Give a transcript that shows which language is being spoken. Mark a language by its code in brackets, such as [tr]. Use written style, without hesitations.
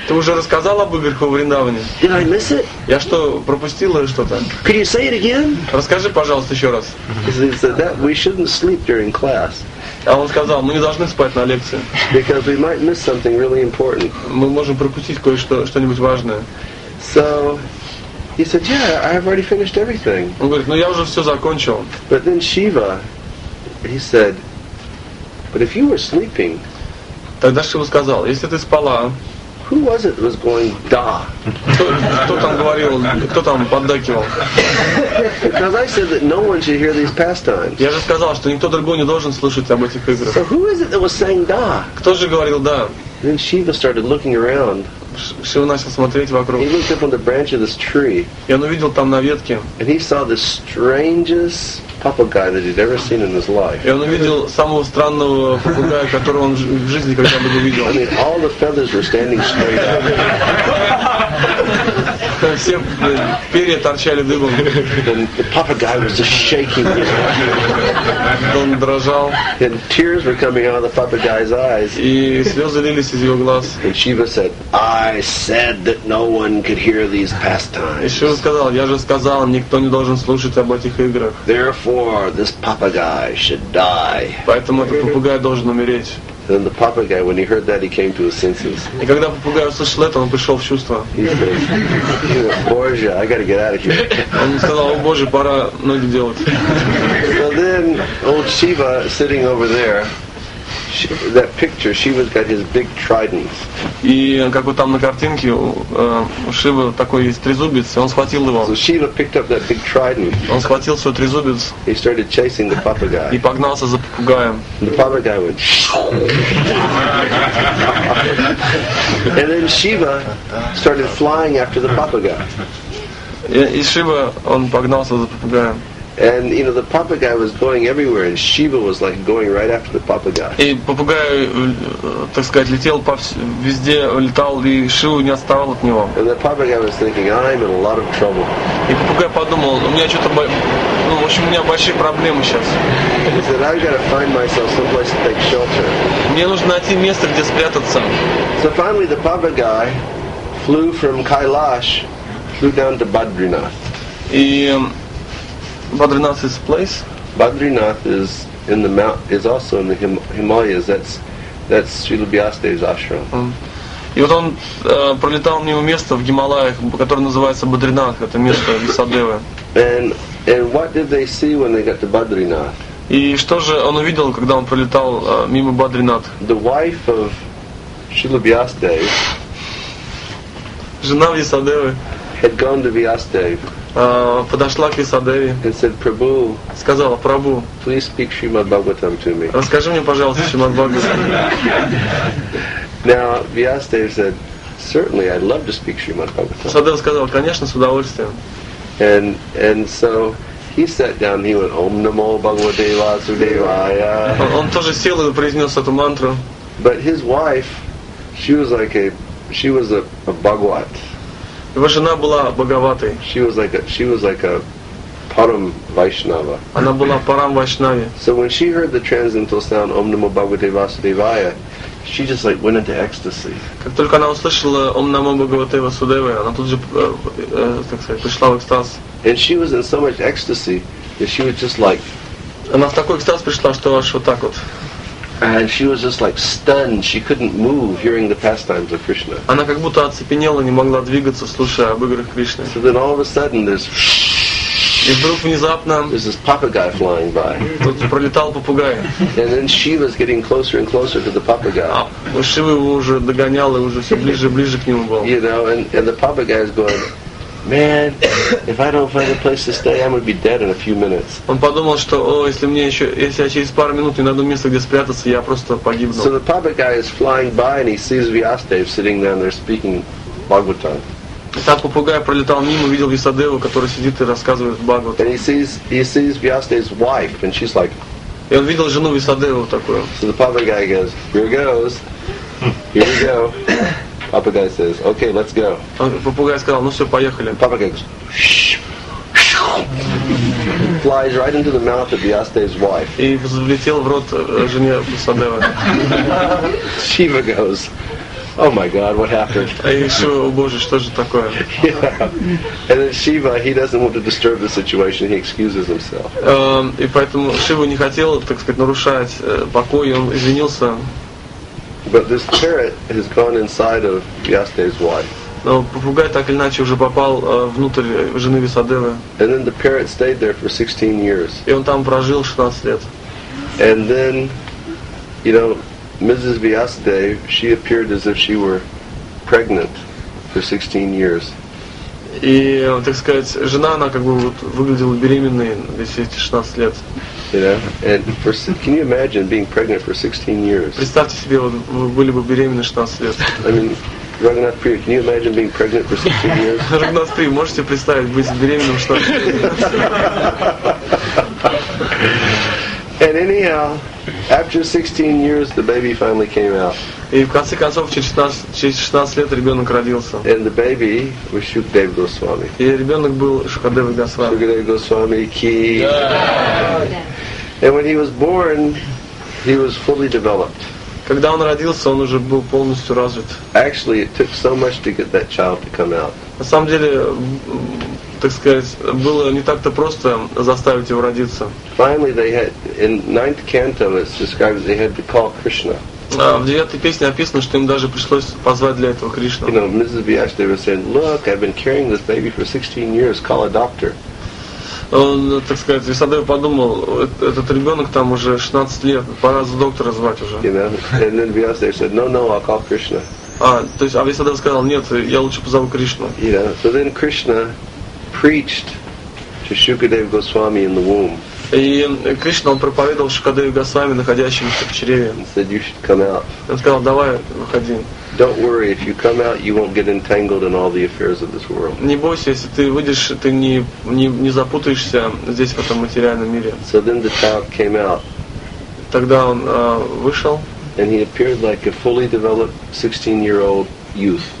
[ru] Ты уже рассказал об играх в Вриндаване? [en] Did I miss it? [ru] Я что, пропустил или что-то? [en] Could you say it again? [ru] Расскажи, пожалуйста, еще раз. [en] He said that we shouldn't sleep during class. [ru] А он сказал, мы не должны спать на лекции. [en] Because we might miss something really important. [ru] Мы можем пропустить кое-что, что-нибудь важное. [en] So, he said, yeah, I've already finished everything. [ru] Он говорит, ну я уже все закончил. [en] But then Shiva, he said, but if you were sleeping, [ru] тогда Шива сказал, если ты спала, [en] who was it that was going da? [ru] Кто там говорил? Кто там поддакивал? [en] Because I said that no one should hear these pastimes. [ru] Я же сказал, что никто другой не должен слушать об этих играх. [en] So who is it that was saying da? [ru] Кто же говорил да? [en] Then Shiva started looking around. [ru] Шива начал смотреть вокруг. [en] He looked up on the branch of this tree. [ru] И он увидел там на ветке. [en] And he saw the strangest papagai that he'd ever seen in his life. [ru] И он увидел самого странного попугая, которого он в жизни когда-либо не видел. [en] I mean, all the feathers were standing straight up. [ru] Все перья торчали дыбом. [en] And the papagai was just shaking. [ru] Он дрожал. [en] And tears were coming out of the papagai's eyes. [ru] И слезы лились из его глаз. [en] And Shiva said, I said that no one could hear these pastimes. [ru] И Шива сказал, я же сказал, никто не должен слушать об этих играх. [en] Therefore, this papagai should die. [ru] Поэтому этот попугай должен умереть. [en] Then the papagai, when he heard that, he came to his senses. [ru] И когда попугай услышал это, он пришел в чувство. [en] He said, [ru] Боже, [en] I gotta get out of here. [ru] Он сказал, о Боже, пора ноги делать. [en] So then, old Shiva sitting over there, that picture, Shiva's got his big trident. [ru] И как вот там на картинке у Шивы такой есть трезубец, и он схватил его. [en] So Shiva picked up that big trident. [ru] Он схватил свой трезубец. [en] He started chasing the papagai. [ru] И погнался за попугаем. [en] The papagai went. And then Shiva started flying after the papagai. [ru] И Шива, он погнался за попугаем. [en] And you know the papagai was going everywhere, and Shiva was like going right after the papagai. [ru] И попугай, так сказать, летел везде, летал, и Шива не отставал от него. [en] And the papagai was thinking, I'm in a lot of trouble. [ru] И попугай подумал, у меня что-то, ну, в общем, у меня большие проблемы сейчас. [en] He said, I've got to find myself some place to take shelter. [ru] Мне нужно найти место, где спрятаться. [en] So finally, the papagai flew from Kailash, flew down to Badrinath. И Badrinath's place. Badrinath is in the mount. Is also in the Himalayas. That's Srila Vyasadeva's ashram. [ru] И вот он пролетал мимо места в Гималаях, которое называется Бадринат. Это место Висадевы. [en] And what did they see when they got to Badrinath? [ru] И что же он увидел, когда он пролетал мимо Бадринат? [en] The wife of Srila Vyasadeva. [ru] Жена Висадевы. [en] Had gone to Vyasadeva. [ru] Подошла к Висадеве и сказала: «Прабу, [en] please speak Shrimad Bhagavatam to me. [ru] Расскажи мне, пожалуйста, Shrimad Bhagavatam». [en] Now Vyasadeva said, certainly, I'd love to speak Shrimad Bhagavatam. [ru] Садева сказал: «Конечно, с удовольствием». [en] And so he sat down. He went, [sa] Om Namo Bhagavate Vasudevaya. [ru] Он тоже сел и произнес эту мантру. [en] But his wife, she was a Bhagavat. [ru] Его жена была боговатой. [en] She was like a param Vaishnava. [ru] Она была парам Вайшнави. [en] So when she heard the transcendental sound [sa] Om Namo Bhagavate Vasudevaya, [en] she just like went into ecstasy. [ru] Как только она услышала [sa] Om Namo Bhagavate Vasudevaya, [ru] она тут же, так сказать, пришла в экстаз. [en] And she was in so much ecstasy that she was just like. [ru] Она в такой экстаз пришла, что аж вот так вот. [en] And she was just like stunned. She couldn't move hearing the pastimes of Krishna. [ru] Она как будто оцепенела, не могла двигаться, слушая об играх Кришны. [en] So then all of a sudden there's. [ru] И вдруг внезапно. [en] There's this papagai flying by. [ru] Тут пролетал попугай. [en] And then Shiva's getting closer and closer to the papagai. [ru] А Шива его уже догонял и уже все ближе и ближе к нему был. [en] You know, and the papagai is going, man, if I don't find a place to stay, I'm gonna be dead in a few minutes. [ru] Он подумал, что, о, если мне еще, если я через пару минут не найду место, где спрятаться, я просто погибну. [en] So the papagai is flying by and he sees Vyasadeva sitting down there speaking Bhagavatam. [ru] Так попугай пролетал мимо, видел Висадеву, который сидит и рассказывает Бхагаватам. [en] And he sees Vyasadeva's wife and she's like. [ru] И он видел жену Висадеву такую. [en] So the papagai goes, here goes, here we go. Papagai says, "Okay, let's go." [ru] Попугай сказал: "Ну все, поехали." [en] Papagai goes, flies right into the mouth of Vyasadeva's wife. [ru] И взлетел в рот жене Садева. [en] Shiva goes, "Oh my God, what happened?" [ru] И Шива: "О боже, что же такое?" [en] Yeah. And then Shiva, he doesn't want to disturb the situation. He excuses himself. [ru] И поэтому Шива не хотел, так сказать, нарушать покой. Он извинился. [en] But this parrot has gone inside of Vyasadeva's wife. [ru] Но попугай так или иначе уже попал внутрь жены Висадевы. [en] And then the parrot stayed there for 16 years. [ru] И он там прожил 16 лет. [en] And then, you know, Mrs. Vyasadeva, she appeared as if she were pregnant for 16 years. [ru] И, так сказать, жена, она как бы вот выглядела беременной весь эти 16 лет. [en] Can you imagine being pregnant for 16 years? [ru] Представьте себе, вот вы были бы беременны 16 лет. [en] I mean, Raghunath Priya, can you imagine being pregnant for 16 years? [ru] Raghunath Priya, можете представить быть беременным 16 лет? [en] And anyhow, after 16 years, the baby finally came out. [ru] И в конце концов, через 16 лет ребенок родился. [en] And the baby was Shukadeva Goswami. [ru] И ребенок был Шукадева Госвами. [hi] Shukadeva Goswami ki. [en] And when he was born, he was fully developed. [ru] Когда он родился, он уже был полностью развит. [en] Actually, it took so much to get that child to come out. [ru] На самом деле, так сказать, было не так-то просто заставить его родиться. [en] Finally, they had in ninth canto it's described they had to call Krishna. [ru] В девятой песне описано, что им даже пришлось позвать для этого Кришну. [en] You know, Mrs. Vyasadeva said, "Look, I've been carrying this baby for 16 years. Call a doctor." [ru] Он, так сказать, Висадева подумал, этот ребенок там уже 16 лет, пора за доктора звать уже. [en] You know, and then Vyasadeva said, "No, I'll call Krishna." [ru] То есть Висадева сказал, нет, я лучше позову Кришну. [en] You know, so then Krishna preached to Shukadeva Goswami in the womb. [ru] И Кришна, он проповедовал Шукадеве Госвами, находящемуся в чреве. Он сказал, давай, выходи. [en] Don't worry, if you come out, you won't get entangled in all the affairs of this world. [ru] Не бойся, если ты выйдешь, ты не запутаешься здесь, в этом материальном мире. [en] So then the child came out. [ru] Тогда он вышел. [en] And he appeared like a fully developed 16-year-old youth.